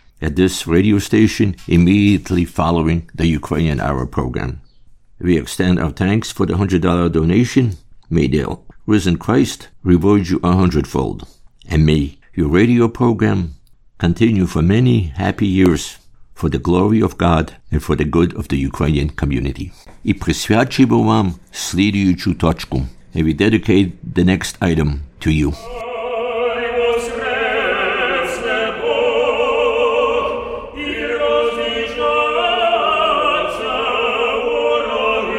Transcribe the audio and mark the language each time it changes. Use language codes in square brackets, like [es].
[en] at this radio station immediately following the Ukrainian Hour program. We extend our thanks for the $100 donation. May the risen Christ reward you 100-fold. And may your radio program continue for many happy years for the glory of God and for the good of the Ukrainian community. [uk] І присвячуємо вам слідуючу точку. [en] And we dedicate the next item to you. [uk] Воскресе Бог і розвіжаться у роді.